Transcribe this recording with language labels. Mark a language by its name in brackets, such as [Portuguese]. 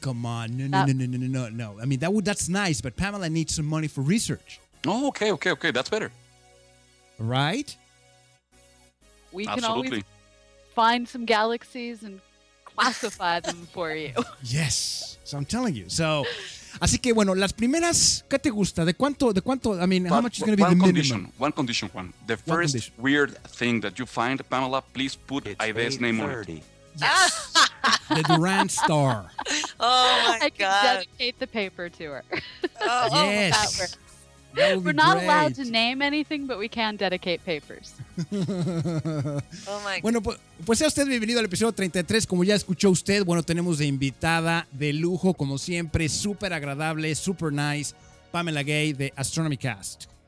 [English] Oh, come on. No. I mean that's nice, but Pamela needs some money for research. Oh, okay. That's better. Right? We can absolutely always find some galaxies and classify them for you. Yes. So I'm telling you. [Spanish] So así que bueno, las primeras, ¿qué te gusta? ¿De cuánto? [English] I mean, how much is going to be the condition, minimum? One condition, Juan. The first weird thing that you find, Pamela, please put Aide's name on it. Yes. The Durant Star. Oh my god! I can dedicate the paper to her. Oh, yes. Oh, we're not allowed to name anything, but we can dedicate papers. Oh my god. [Spanish] Bueno, pues sea usted bienvenido al episodio 33. Como ya escuchó usted, bueno, tenemos de invitada de lujo, como siempre, súper agradable, súper nice, Pamela Gay de Astronomy Cast.